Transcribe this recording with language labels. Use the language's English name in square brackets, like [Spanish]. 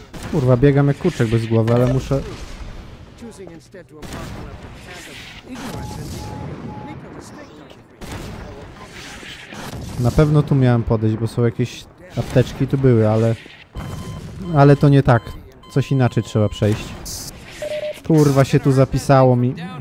[Polish] Kurwa, biegam jak kurczak bez głowy, ale muszę... [English] Choosing instead to embark on a path of ignorance and make a mistake, don't you think? [Polish] Na pewno tu miałem podejść, bo są jakieś apteczki tu były, ale... Ale to nie tak. Coś inaczej trzeba przejść. Kurwa, się tu zapisało mi.